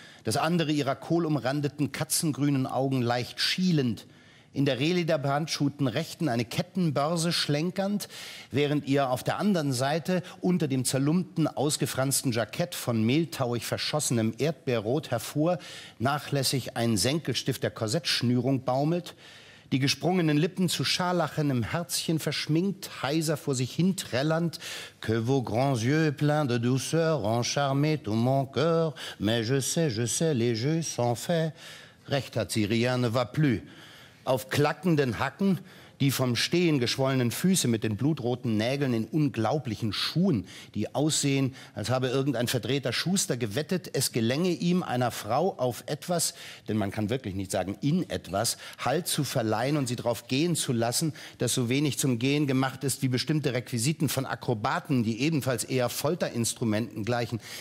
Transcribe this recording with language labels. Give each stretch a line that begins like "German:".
German: Das andere ihrer kohlumrandeten, katzengrünen Augen leicht schielend, in der Rehle der Brandschuten rechten eine Kettenbörse schlenkernd, während ihr auf der anderen Seite unter dem zerlumpten, ausgefransten Jackett von mehltauig verschossenem Erdbeerrot hervor nachlässig ein Senkelstift der Korsettschnürung baumelt, die gesprungenen Lippen zu scharlachenem Herzchen verschminkt, heiser vor sich hin trällernd.
French: Que vos grands yeux pleins de douceur ont charmé tout mon cœur. Mais je sais, les jeux sont faits.
German: Recht hat sie,
French: rien ne va plus.
German: Auf klackenden Hacken, die vom Stehen geschwollenen Füße mit den blutroten Nägeln in unglaublichen Schuhen, die aussehen, als habe irgendein verdrehter Schuster gewettet, es gelänge ihm, einer Frau auf etwas, denn man kann wirklich nicht sagen in etwas, Halt zu verleihen und sie drauf gehen zu lassen, das so wenig zum Gehen gemacht ist wie bestimmte Requisiten von Akrobaten, die ebenfalls eher Folterinstrumenten gleichen.